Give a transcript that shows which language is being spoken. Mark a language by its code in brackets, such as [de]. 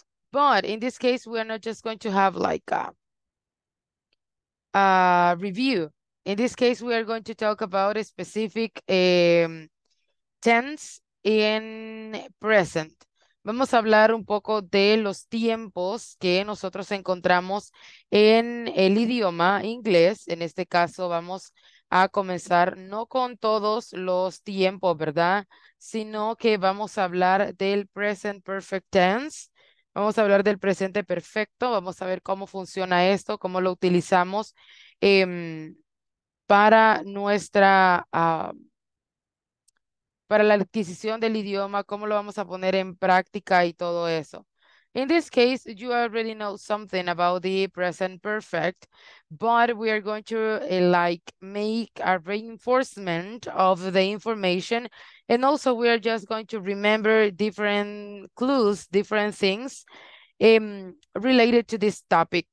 [en] But in this case, we are not just going to have like a review. In this case, we are going to talk about a specific tense in present. [es] Vamos a hablar un poco de los tiempos que nosotros encontramos en el idioma inglés. En este caso, vamos a comenzar no con todos los tiempos, ¿verdad? Sino que vamos a hablar del present perfect tense. Vamos a hablar del presente perfecto. Vamos a ver cómo funciona esto, cómo lo utilizamos para nuestra, para la adquisición del idioma, cómo lo vamos a poner en práctica y todo eso. [en] In this case, you already know something about the present perfect, but we are going to like make a reinforcement of the information. And also we are just going to remember different clues, different things related to this topic.